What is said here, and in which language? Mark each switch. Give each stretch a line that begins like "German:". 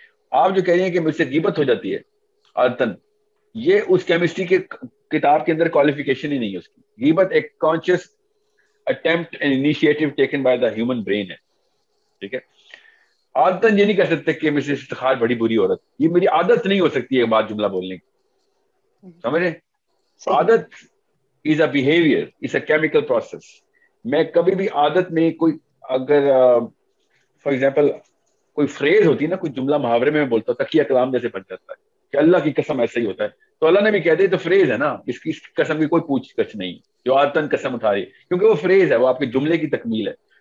Urdu: آپ جو کہہ رہے ہیں کہ مجھ سے غیبت ہو جاتی ہے عادتن, یہ اس کیمسٹری کے کتاب کے اندر کوالیفیکیشن ہی نہیں ہے اس کی. غیبت ایک
English: conscious attempt and initiative taken by the human brain
Urdu: ہے, ٹھیک ہے. عادت یہ نہیں کر سکتے کہ مجھ سے استخار بڑی بری عورت, یہ میری عادت نہیں ہو سکتی ایک بات جملہ بولنے کی, سمجھے.
English: عادت is a behaviour, is a chemical process.
Urdu: میں کبھی بھی عادت میں کوئی اگر
English: for example
Urdu: کوئی فریز ہوتی ہے نا, کوئی جملہ محاورے میں بولتا ہوں, تکیہ کلام جیسے بن جاتا ہے کہ اللہ کی قسم ایسا ہی ہوتا ہے, تو اللہ نے بھی کہہ دیا تو فریز ہے نا, اس کی قسم کی کوئی پوچھ گچھ نہیں جو عادتن قسم اٹھا رہی, کیونکہ وہ فریز ہے, وہ آپ کے جملے کی تکمیل ہے.